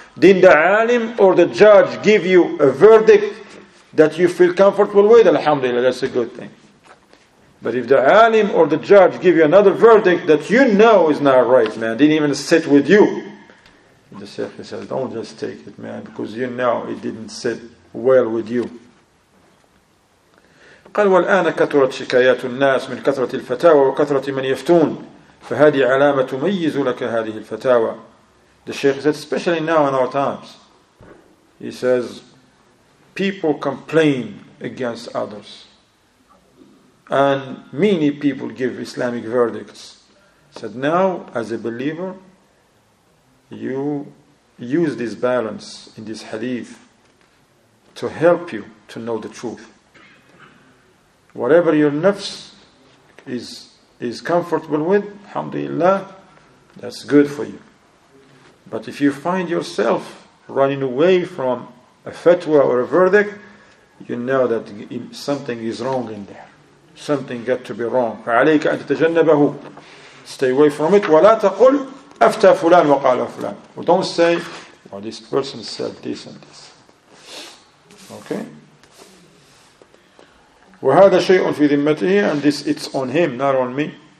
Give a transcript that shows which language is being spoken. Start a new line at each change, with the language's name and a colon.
English: Didn't the alim or the judge give you a verdict that you feel comfortable with? Alhamdulillah, that's a good thing. But if the alim or the judge give you another verdict that you know is not right, man, didn't even sit with you. And the Sheikh says, don't just take it, man, because you know it didn't sit well with you.
Arabic: قال والآن كثرت شكايات الناس من كثرة الفتاوى وكثرة من يفتون فهذه علامة تميز لك هذه الفتاوى.
English: The Sheikh said, especially now in our times, he says, people complain against others. And many people give Islamic verdicts. He said, now, as a believer, you use this balance in this hadith to help you to know the truth. Whatever your nafs is comfortable with, alhamdulillah, that's good for you. But if you find yourself running away from a fatwa or a verdict, you know that something is wrong in there. Something got to be wrong.
Arabic: فعليك أن تتجنبه.
English: Stay away from it.
Arabic: ولا تقول أفتى فلان وقال فلان.
English: Don't say, well, this person said this and this. Okay?
Arabic: وهذا شيء في ذمته,
English: and this it's on him, not on me.